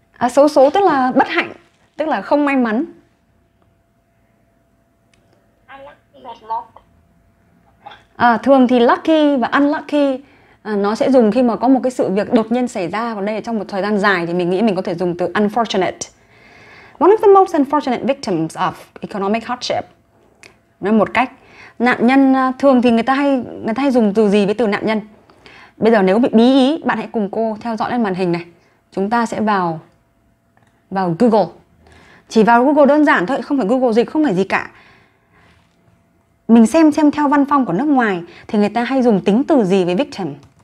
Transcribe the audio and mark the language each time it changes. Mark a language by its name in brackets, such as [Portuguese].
[Vietnamese] Xấu số tức là bất hạnh, tức là không may mắn. Thường thì lucky và unlucky nó sẽ dùng khi mà có một cái sự việc đột nhiên xảy ra. Còn đây là trong một thời gian dài thì mình nghĩ mình có thể dùng từ unfortunate. [English] One of the most unfortunate victims of economic hardship. [Vietnamese] Nói một cách, nạn nhân thường thì người ta hay dùng từ gì với từ nạn nhân? Bây giờ nếu bị bí ý, bạn hãy cùng cô theo dõi lên màn hình này. Chúng ta sẽ vào Google. Chỉ vào Google đơn giản thôi, không phải Google dịch, không phải gì cả. Mình xem theo văn phong của nước ngoài thì người ta hay dùng tính từ gì với victim.